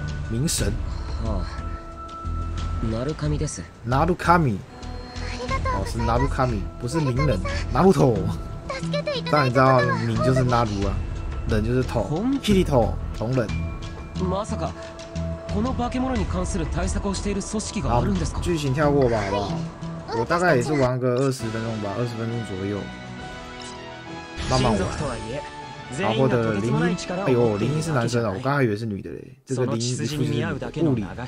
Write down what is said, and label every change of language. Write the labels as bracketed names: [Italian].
[Chinese] 名神。哦。 [Japanese] ナルカミです。ナルカミ。 [Chinese] 哦，是ナルカミ，不是名人。ナルト。当然知道，名就是ナル啊，人就是トウ。 [Japanese] キリトウ，同人。まさか、この化け物に関する対策をしている組織があるんですか？ [Chinese] 剧情跳过吧，好不好？我大概也是玩个20分钟吧，20分钟左右。慢慢玩。然后的零一，哎呦，零一是男生啊，我刚才以为是女的嘞。这个零一是物理。